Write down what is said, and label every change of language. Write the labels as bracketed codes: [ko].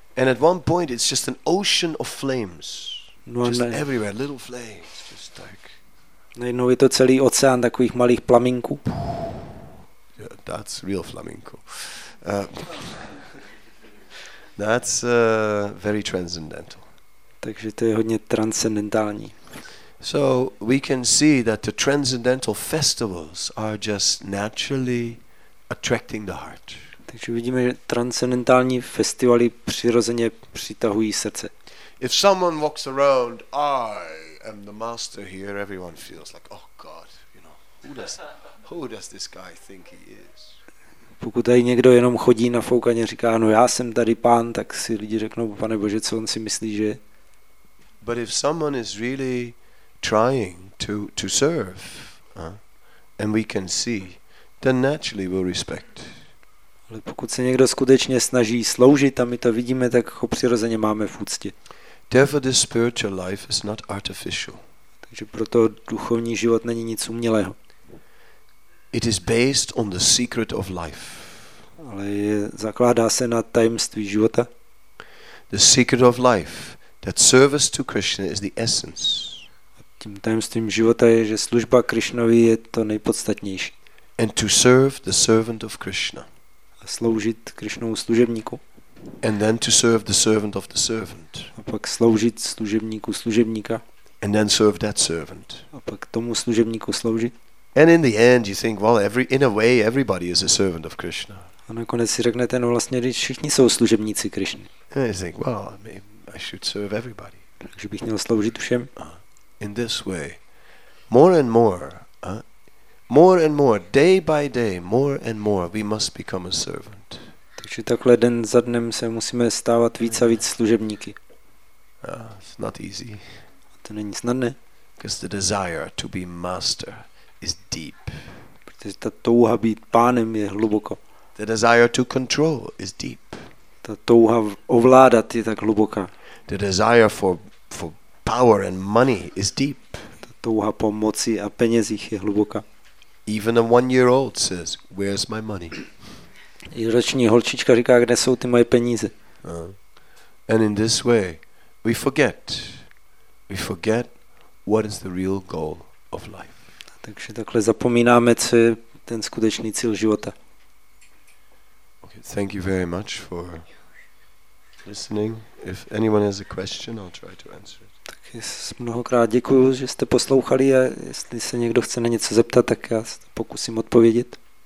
[en] And at one point it's just an ocean of flames. No, just everywhere little flames just like. [cs] Najednou je to celý oceán takových malých plamínků. [en] Yeah, that's real flamenco. That's very transcendental. [cs] Takže to je hodně transcendentální. [en] So we can see that the transcendental festivals are just naturally attracting the heart. [cs] Takže vidíme, že transcendentální festivaly přirozeně přitahují srdce. [en] If someone walks around, I am the master here, everyone feels like, oh God, you know, who does this guy think he is? [cs] Pokud tady někdo jenom chodí na foukaně, říká, no já jsem tady pán, tak si lidi řeknou, pane Bože, co on si myslí, že? [en] But if someone is really trying to serve, and we can see, then naturally we'll respect. [cs] Ale pokud se někdo skutečně snaží sloužit a my to vidíme, tak ho přirozeně máme v úctě. [en] Therefore the spiritual life is not artificial. [cs] Takže proto duchovní život není nic umělého. [en] It is based on the secret of life. [cs] Ale zakládá se na tajemství života. [en] The secret of life, that service to Krishna is the essence. [cs] A tím tajemstvím života je, že služba Krišnovi je to nejpodstatnější. [en] And to serve the servant of Krishna. [cs] Sloužit Krišnovu služebníku. [en] And then to serve the servant of the servant. [cs] A pak sloužit služebníku služebníka. [en] And then serve that servant. [cs] A pak tomu služebníku sloužit. [en] And in the end you think, well, in a way everybody is a servant of Krishna. [cs] A nakonec si řeknete, no vlastně všichni jsou služebníci Krišny. [en] And you think, well, maybe I should serve everybody. [cs] Takže bych měl sloužit všem. [en] In this way, more and more, day by day, more and more, we must become a servant. [cs] Takže takhle den za dnem se musíme stávat víc a víc služebníky. [en] It's not easy. [cs] To není snadné. [en] Because the desire to be master is deep. [cs] Protože ta touha být pánem je hluboko. [en] The desire to control is deep. [cs] Ta touha ovládat je tak hluboká. [en] The desire for power and money is deep. [cs] Ta touha po moci a penězích je hluboká. [en] Even a one-year-old says, "Where's my money?" [cs] I roční holčička říká, kde jsou ty moje peníze? [en] And in this way, we forget what is the real goal of life. [cs] Takže takhle zapomínáme, co je ten skutečný cíl života. [en] Okay, thank you very much for listening. If anyone has a question, I'll try to answer it. [cs] Tak mnohokrát děkuju, že jste poslouchali, a jestli se někdo chce na něco zeptat, tak já se pokusím odpovědět.